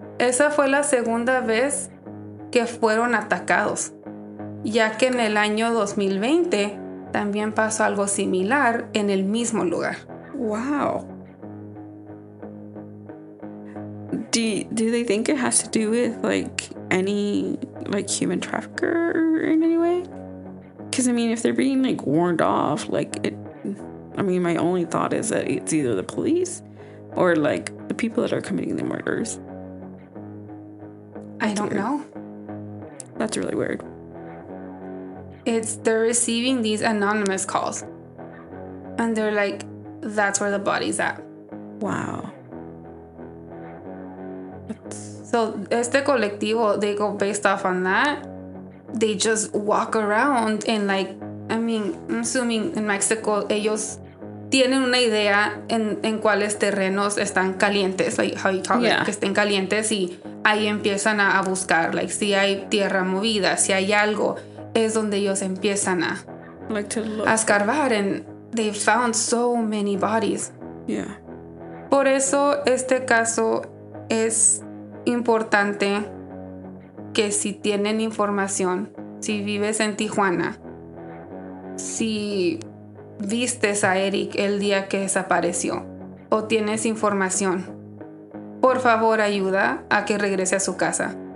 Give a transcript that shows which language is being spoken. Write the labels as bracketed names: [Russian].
[Spanish] Esa fue la segunda vez que fueron atacados, ya que en el año 2020 también pasó algo similar en el mismo lugar. [English] Wow. Do they think it has to do with like any like human trafficker in any way? Because I mean, if they're being like warned off, like it. I mean, my only thought is that it's either the police or, like, the people that are committing the murders. I don't know. That's really weird. They're receiving these anonymous calls. And they're like, that's where the body's at. Wow. So, [Spanish] este colectivo, [English] they go based off on that. They just walk around and, like, I mean, I'm assuming in Mexico, [Spanish] ellos tienen una idea en cuáles terrenos están calientes, [English] like how you call it, [Spanish] que estén calientes, y ahí empiezan a buscar, like, si hay tierra movida, si hay algo. es donde ellos empiezan a, [English] like to look. [Spanish] A escarbar. [English] And they found so many bodies. Yeah. [Spanish] Por eso este caso es importante, que si tienen información, si vives en Tijuana, si vistes a Erick el día que desapareció o tienes información, por favor ayuda a que regrese a su casa.